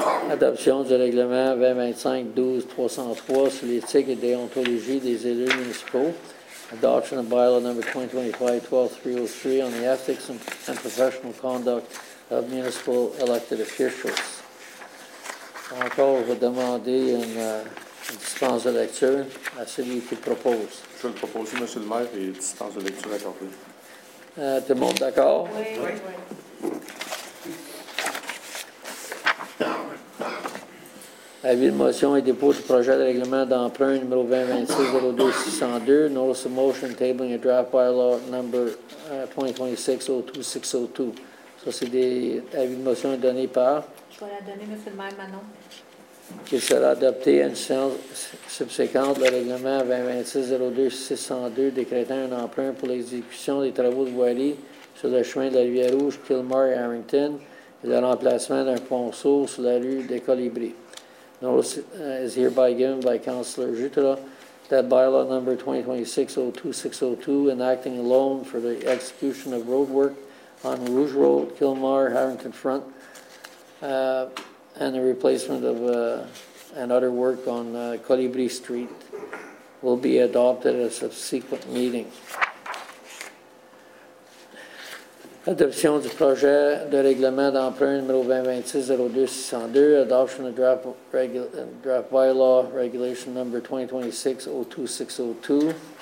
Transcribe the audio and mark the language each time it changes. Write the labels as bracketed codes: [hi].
[fr] Adoption du règlement 2025-12-303 sur l'éthique et déontologie des élus municipaux. [en] Adoption of bylaw number 2025-12-303 on the ethics and professional conduct of municipal elected officials. [fr] Encore, je vais demander une dispense de lecture à celui qui propose. Je vais le proposer, M. le maire, et dispense de lecture accordée. Tout le monde d'accord? Oui, oui, oui. Avis de motion et dépôt du projet de règlement d'emprunt numéro 2026-02-602. [en] Notice of motion tabling a draft bylaw number 2026-02-602. [fr] Ça, c'est des avis de motion donnés par. Je vais la donner, M. le maire Manon. Qui sera adopté à une séance subséquente, le règlement 2026-02-602 décrétant un emprunt pour l'exécution des travaux de voirie sur le chemin de la Rivière-Rouge, Kilmar et Harrington, et le remplacement d'un ponceau sur la rue des Colibris. [en] Notice is hereby given by Councilor Jutra that bylaw number 2026-02-602, enacting a loan for the execution of road work on Rouge Road, Kilmar, Harrington Front, and the replacement of and other work on Colibri Street will be adopted at a subsequent meeting. [fr] Adoption du projet de règlement d'emprunt numéro 2026-02-602, [en] adoption of draft bylaw regulation number 2026-02-602.